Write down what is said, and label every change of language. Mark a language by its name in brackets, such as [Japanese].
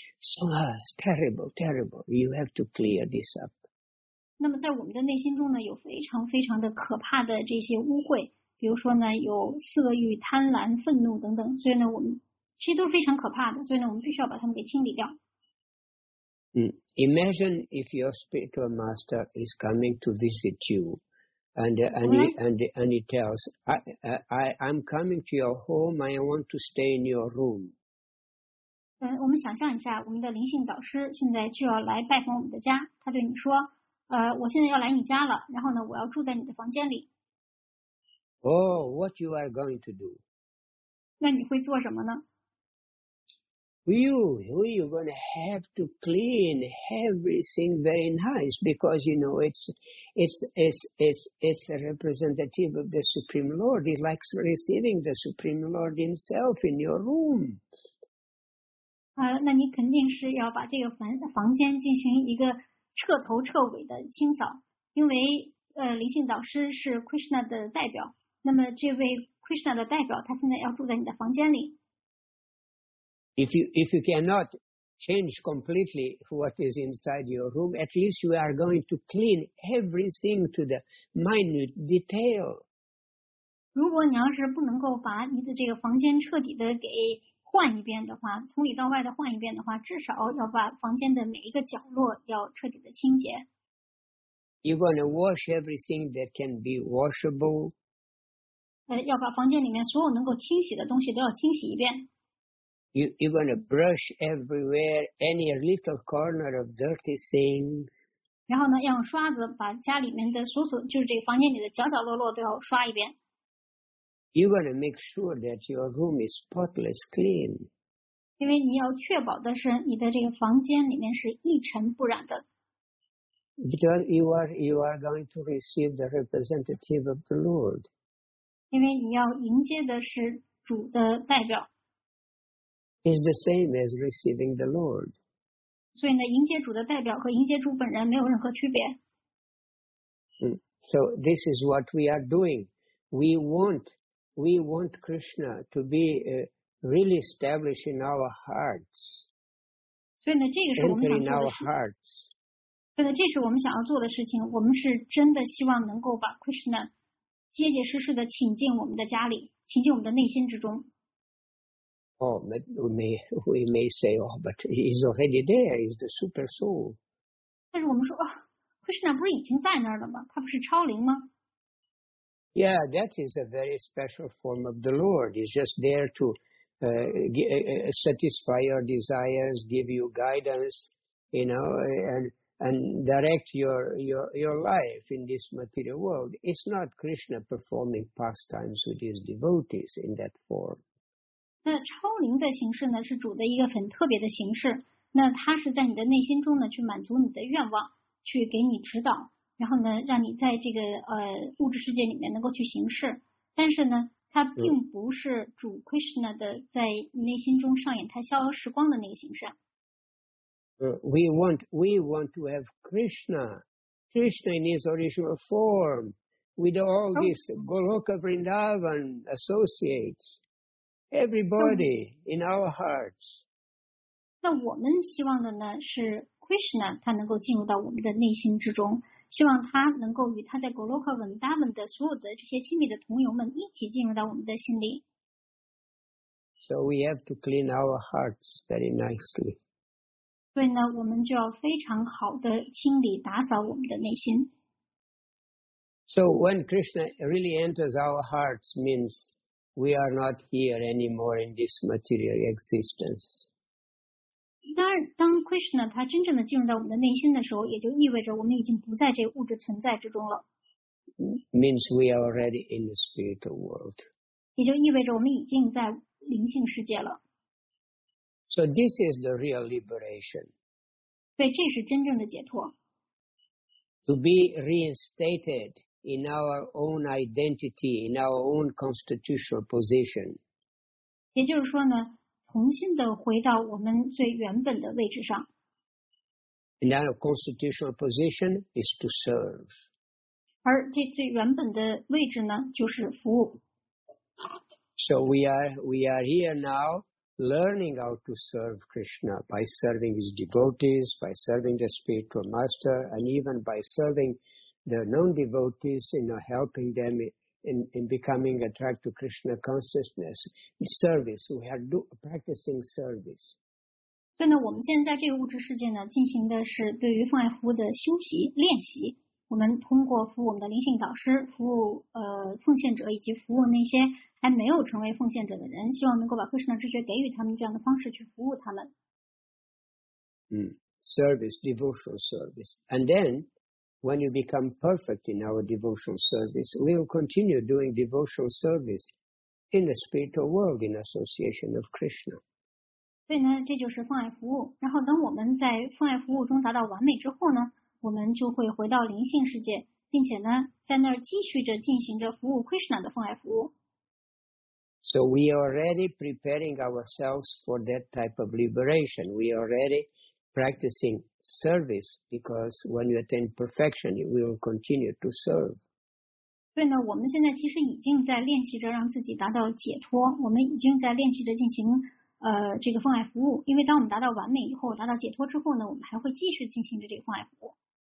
[English] So terrible, terrible. You have to clear this up. [Chinese] 那么在我们的内心中呢，有非常非常的可怕的这些污秽，比如说呢，有色欲、贪婪、愤怒等等。所以呢，我们这些都是非常可怕的，所以呢，我们必须要把它们给清理掉。 [English] Imagine if your spiritual master is coming to visit you, and he tells, I'm coming to your home. I want to stay in your room. [Chinese] 我们想象一下，我们的灵性导师现在就要来拜访我们的家。他对你说，我现在要来你家了。然后呢，我要住在你的房间里。 [English] Oh, what you are going to do? [Chinese] 那你会做什么呢？ [English] You're going to have to clean everything very nice because, you know, it's a representative of the Supreme Lord. It's like receiving the Supreme Lord himself in your room. [Chinese] 那你肯定是要把这个房间进行一个彻头彻尾的清扫，因为灵性导师是 Krishna 的代表。那么这位 Krishna 的代表，他现在要住在你的房间里。 [English] If you cannot change completely what is inside your room, at least you are going to clean everything to the minute detail. [Chinese] 如果你要是不能够把你的这个房间彻底的给换一遍的话，从里到外的换一遍的话，至少要把房间的每一个角落要彻底的清洁。 [English] You're going to wash everything that can be washable. [Chinese] 要把房间里面所有能够清洗的东西都要清洗一遍。 [English] You're going to brush everywhere any little corner of dirty things. [Chinese] 然后呢，用刷子把家里面的就是这个房间里的角角落落都要刷一遍。 [English] You're going to make sure that your room is spotless clean. [Chinese] 因为你要确保的是你的这个房间里面是一尘不染的。 [English] Because you are going to receive the representative of the Lord. [Chinese] 因为你要迎接的是主的代表。 [English] Is the same as receiving the Lord. [Chinese] 所以呢，迎接主的代表和迎接主本人没有任何区别。 [English] So this is what we are doing. We want Krishna to be really established in our hearts. [Chinese] 所以呢，这个是我们想做的事情。所以呢，这是我们想要做的事情。我们是真的希望能够把 Krishna 结结实实的请进我们的家里，请进我们的内心之中。 [English] Oh, but we may say, oh, but he's already there. He's the super soul. [Chinese] 但是我们说，哦，Krishna 不是已经在那儿了吗？他不是超灵吗？ [English] Yeah, that is a very special form of the Lord. He's just there to satisfy your desires, give you guidance, you know, and direct your life in this material world. It's not Krishna performing pastimes with his devotees in that form. [Chinese] 那超灵的形式呢，是主的一个很特别的形式。那它是在你的内心中呢，去满足你的愿望，去给你指导，然后呢，让你在这个物质世界里面能够去行事。但是呢，它并不是主 Krishna 的在你内心中上演他逍遥时光的那个形式。 [English] We want to have Krishna in his original form with all these Goloka Vrindavan associates. Everybody in our hearts. [Chinese] 那我们希望的呢是 Krishna 他能够进入到我们的内心之中，希望他能够与他在格洛克文达文的所有的这些亲密的同友们一起进入到我们的心里。 [English] So we have to clean our hearts very nicely. [Chinese] 所以呢，我们就要非常好的清理打扫我们的内心。 [English] So when Krishna really enters our hearts means we are not here anymore in this material existence. [Chinese] 当 Krishna 他真正的进入到我们的内心的时候，也就意味着我们已经不在这物质存在之中了。 [English] Means we are already in the spiritual world. [Chinese] 也就意味着我们已经在灵性世界了。 [English] So this is the real liberation. [Chinese] 对，这是真正的解脱。 [English] To be reinstated in our own identity, in our own constitutional position. [Chinese] 也就是说呢，重新的回到我们最原本的位置上。 [English] And our constitutional position is to serve. [Chinese] 而这最原本的位置呢，就是服务。 [English] So we are here now learning how to serve Krishna by serving his devotees, by serving the spiritual master, and even by serving the non-devotees, you know, helping them in becoming attracted to Krishna consciousness. Service, we are practicing service. [Chinese] 对呢，我们现在这个物质世界呢，进行的是对于奉爱服务的修习练习。我们通过服务我们的灵性导师，服务奉献者，以及服务那些还没有成为奉献者的人，希望能够把克什纳之觉给予他们，这样的方式去服务他们。 [English] Service, devotional service. And then, when you become perfect in our devotional service, we will continue doing devotional service in the spiritual world in association of Krishna. [Chinese] 所以呢，这就是奉爱服务。然后等我们在奉爱服务中达到完美之后呢，我们就会回到灵性世界，并且呢，在那儿继续着进行着服务 Krishna 的奉爱服务。 [English] So we are already preparing ourselves for that type of liberation. We are already practicing service because when you attain perfection, you will continue to serve. [Chinese] 对呢，我们现在其实已经在练习着让自己达到解脱。我们已经在练习着进行这个奉爱服务，因为当我们达到完美以后，达到解脱之后呢，我们还会继续进行着这个奉爱服务。